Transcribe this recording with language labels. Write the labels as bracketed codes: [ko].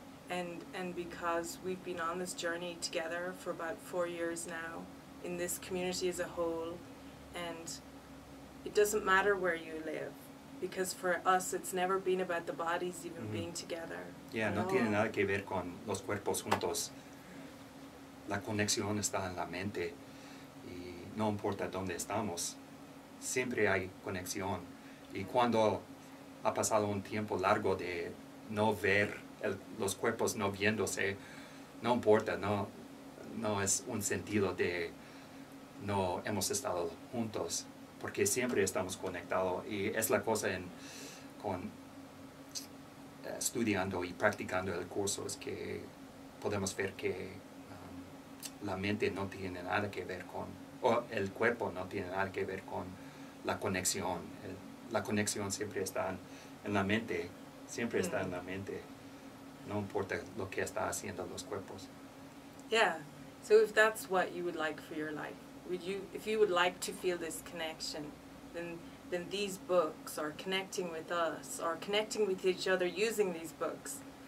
[en] And because we've been on this journey together for about 4 years now, in this community as a whole, and it doesn't matter where you live, because for us it's never been about the bodies even being together. [es] Yeah, no tiene nada que ver con los cuerpos juntos. La conexión está en la mente, y no importa dónde estamos, siempre hay conexión. Y cuando ha pasado un tiempo largo de no ver los cuerpos no viéndose, no importa, no es un sentido de no hemos estado juntos, porque siempre estamos conectados, y es la cosa con estudiando y practicando el curso, es que podemos ver que la mente no tiene nada que ver con, o el cuerpo no tiene nada que ver con la conexión, la conexión siempre está en la mente, siempre está en la mente. No importa lo que está haciendo los cuerpos. [en] Yeah. So if that's what you would like for your life, if you would like to feel this connection, then these books are connecting with us, or connecting with each other using these books.